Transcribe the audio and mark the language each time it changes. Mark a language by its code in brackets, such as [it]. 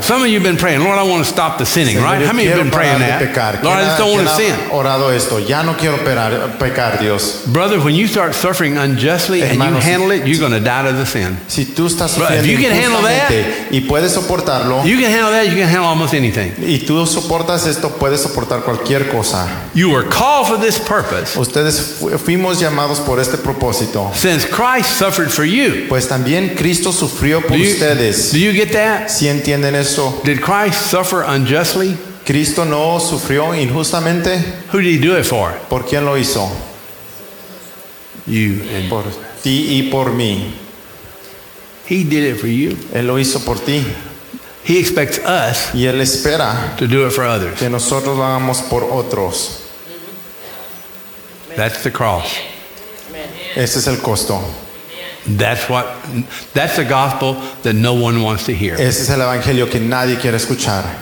[en] Some of you have been praying, Lord, I want to stop the sinning, right? [es] Señor, [en] how many have been praying that? [es] Pecar. [en] Lord, I just don't want to sin. [es] Orado esto, ya no quiero pecar, Dios. [en] Brother, when you start suffering unjustly [es] hermano, [en] and you handle it, you're going to die to the sin. [es] Si tú estás sufriendo [en] if you can handle that, [es] y puedes soportarlo, [en] you can handle that, you can handle almost anything. [es] Y tú soportas esto, puedes soportar cualquier cosa. [en] You were called for this purpose. [es] Ustedes fuimos llamados por este propósito. [en] Since Christ suffered for you, [es] pues también Cristo sufrió por ustedes. [en] Do you get that? [es] ¿Sí entienden eso? [en] Did Christ suffer unjustly? [es] ¿Cristo no sufrió injustamente? [en] Who did he do it for? [es] ¿Por quién lo hizo? [en] You [es] and por ti y por mí. [en] He did it for you. [es] Él lo hizo por ti. [en] He expects us [es] y él espera [en] to do it for others. [es] Que nosotros lo hagamos por otros. [en] That's the cross. [es] Amen. Ese es el costo. [en] That's the gospel that no one wants to hear. [es] Ese es el evangelio que nadie quiere escuchar.